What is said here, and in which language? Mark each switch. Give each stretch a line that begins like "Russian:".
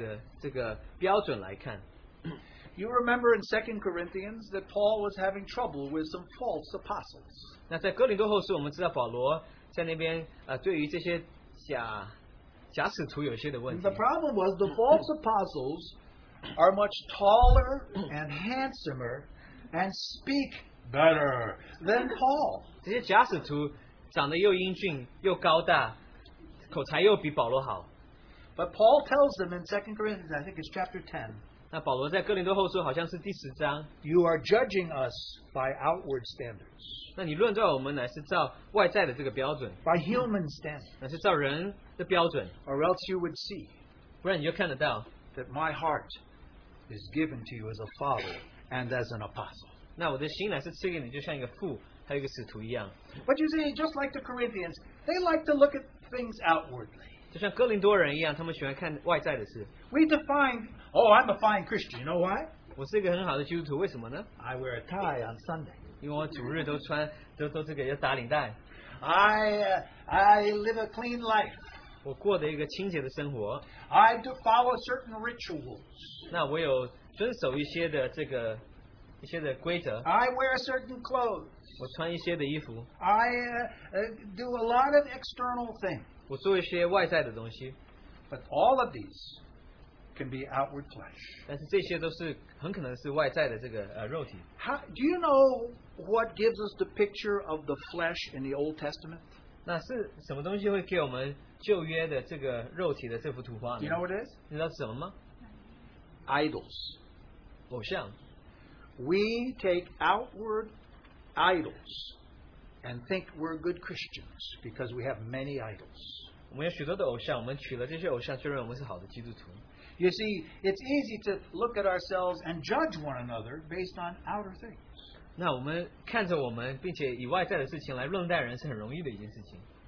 Chinese: 那世界教导我们的肉体，乃是照外在的这个标准来看。
English: You remember in 2 Corinthians that Paul was having trouble with some false apostles.
Chinese: 那在哥林多后书，我们知道保罗在那边对于这些假使徒有一些的问题。
English: The problem was the false apostles are much taller and handsomer and speak better than Paul.
Chinese: 这些假使徒 长得又英俊又高大，口才又比保罗好。But
English: Paul tells them in 2 Corinthians, I think it's chapter 10.
Chinese: 那保罗在哥林多后书好像是第十章。You
English: are judging us by outward standards.
Chinese: 那你论断我们乃是照外在的这个标准。By
English: human standards.
Chinese: 乃是照人的标准。Or
English: else you would see.
Chinese: 不然你就看得到。That
English: my heart is given to you as a father and as an apostle.
Chinese: 那我的心乃是赐给你，就像一个父。
English: But you see, just like the Corinthians, they like to look at things outwardly.
Chinese: 就像哥林多人一样，他们喜欢看外在的事。We
English: define, oh, I'm a fine Christian. You know why?
Chinese: 我是一个很好的基督徒，为什么呢？
English: I wear a tie on Sunday.
Chinese: 因为我主日都穿，都这个要打领带。
English: I live a clean life.
Chinese: 我过的一个清洁的生活。I
English: do follow certain rituals.
Chinese: 那我有遵守一些的这个一些的规则。
English: I wear certain clothes.
Chinese: 我穿一些的衣服,
English: I do a lot of external things.
Chinese: 我做一些外在的东西,
English: but all of these can be outward flesh.
Chinese: 但是这些都是很可能是外在的这个肉体。
English: Do you know what gives us the picture of the flesh in the Old Testament?
Chinese: 那是什么东西会给我们旧约的这个肉体的这幅图画呢
English: Do you know what it is?
Chinese: 你知道什么吗
English: Idols
Chinese: 偶像
English: We take outward idols and think we're good Christians because we have many idols
Chinese: 我们有许多的偶像我们取了这些偶像就认为我们是好的基督徒
English: You see, it's easy to look at ourselves and judge one another based on outer things.
Chinese: 那我们看着我们，并且以外在的事情来论待人是很容易的一件事情。